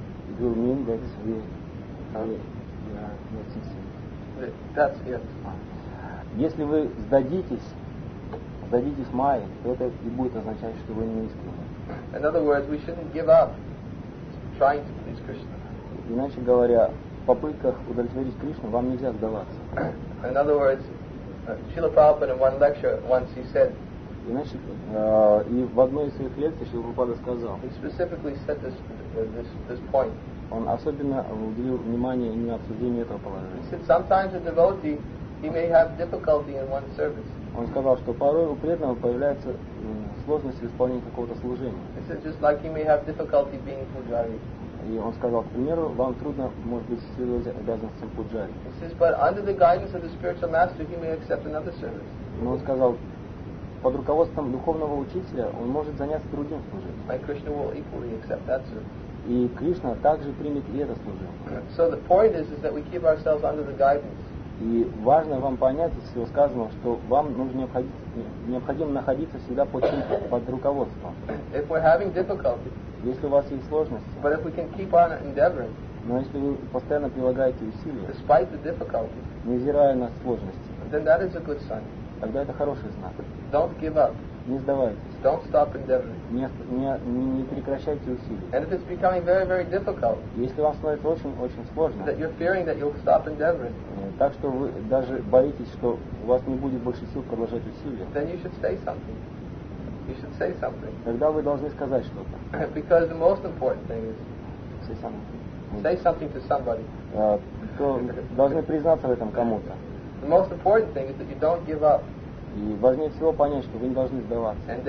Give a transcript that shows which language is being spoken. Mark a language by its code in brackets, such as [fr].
[en] It will mean that we are not sincere. That's it. [ru] Если вы сдадитесь майе, то это и будет означать, что вы не искренны. [en] In other words, we shouldn't give up trying to please Krishna. [ru] Иначе говоря, в попытках удовлетворить Кришну вам нельзя сдаваться. [en] In other words, Srila Prabhupada in one lecture once he said, [ru] значит, и в одной из своих лекций Шрила Прабхупада сказал, [en] he specifically said this point. [ru] Он особенно уделил внимание именно обсуждению этого положения. [en] He said, sometimes a devotee, he may have difficulty in one service. [ru] Он сказал, что порой у преданного появляется сложность в исполнении какого-то служения. [en] He said, just like he may have difficulty being pujari. [ru] И он сказал, к примеру, вам трудно, может быть, следовать обязанностям пуджари. [en] He says, but under the guidance of the spiritual master, he may accept another service. [ru] Но он сказал, под руководством духовного учителя он может заняться другим служением. [en] Like Krishna will equally accept that service. [ru] И Кришна также примет и это служение. [en] So the point is that we keep ourselves under the guidance. [ru] И важно вам понять из всего сказанного, что вам нужно необходимо находиться всегда под руководством. [en] If we're having difficulty. [ru] Если у вас есть сложности. [en] But if we can keep on endeavoring. [ru] Но если вы постоянно прилагаете усилия. [en] Despite the difficulty. [ru] Невзирая на сложности. [en] Then that is a good sign. [ru] Тогда это хороший знак. [en] Don't give up. [ru] Не сдавайтесь. [en] Don't stop endeavoring. [ru] Не прекращайте усилий. [en] And if it's becoming very, very difficult, [ru] если вам становится очень-очень сложно, [en] that you're fearing that you'll stop endeavoring, [ru] так что вы даже боитесь, что у вас не будет больше сил продолжать усилия, [en] then you should say something. You should say something. [ru] Тогда вы должны сказать что-то. [en] Because the most important thing is say something. Say something to somebody. [ru] То должны признаться в этом кому-то. [en] The most important thing is that you don't give up. [ru] И важнее всего понять, что вы не должны сдаваться.